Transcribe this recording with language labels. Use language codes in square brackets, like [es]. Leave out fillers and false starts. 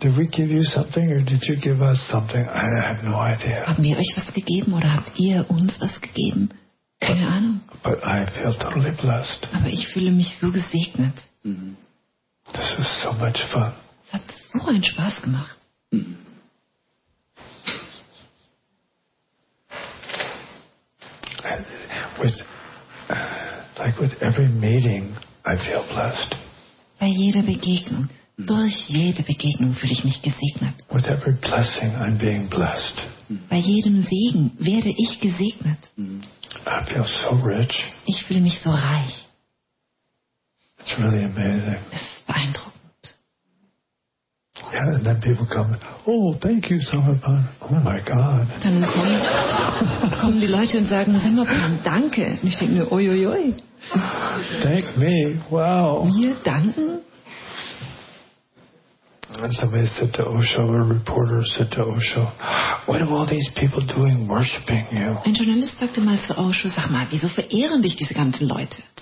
[en] Did we give you something or did you give us something? I have no idea. [de] Haben wir euch was gegeben oder habt ihr uns was gegeben? Keine Ahnung. [en] But I feel totally blessed. [de] Aber ich fühle mich so gesegnet. Mm-hmm. [en] This is so much fun. [de] Es hat so einen Spaß gemacht. [en] Mm-hmm. With every meeting, I feel blessed. [de] Bei jeder Begegnung. Durch jede Begegnung fühle ich mich gesegnet. [en] With every blessing, I'm being blessed. [de] Bei jedem Segen werde ich gesegnet. [en] I feel so rich. [de] Ich fühle mich so reich. [en] It's really amazing. [de] Es ist beeindruckend. [en] Yeah, and then people come, oh, thank you, Semmerpan. Oh my God. [de] Dann kommen die Leute und sagen, Semmerpan, danke. Und ich denke mir, oi, oi, oi. [en] Thank me, wow. [de] Wir danken. [en] And somebody said to Osho, a reporter said to Osho, what are all these people doing worshiping you? [de] Ein Journalist sagte mal zu Osho, sag mal, wieso verehren dich diese ganzen Leute?